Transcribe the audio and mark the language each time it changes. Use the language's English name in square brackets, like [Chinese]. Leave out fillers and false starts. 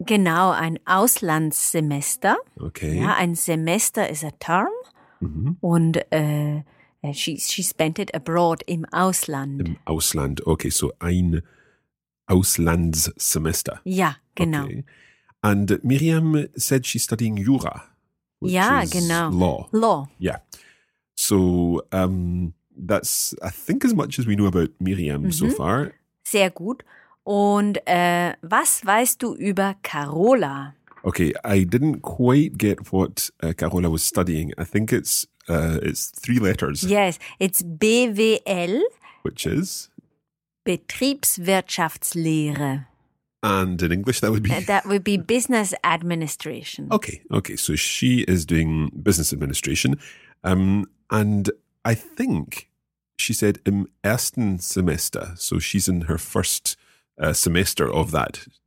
[German] Genau, ein Auslandssemester. [English] Okay. [German] Ja, ein Semester [English] is a term. Mm-hmm. Und she spent it abroad [German] im Ausland. Im Ausland. [English] Okay, so [German] ein Auslandssemester. Ja, genau. Okay. [English] And Myriam said she's studying Jura. Which is law. Law. Yeah. So that's, I think, as much as we know about Myriam so far. [German] Sehr gut. Und was weißt du über Carola? [English] Okay, I didn't quite get what Carola was studying. I think it's three letters. Yes, it's BWL. Which is? [German] Betriebswirtschaftslehre. [English] And in English that would be? That would be business administration. Okay. So she is doing business administration. And I think she said [German] im ersten Semester. [English] So she's in her first semester of that.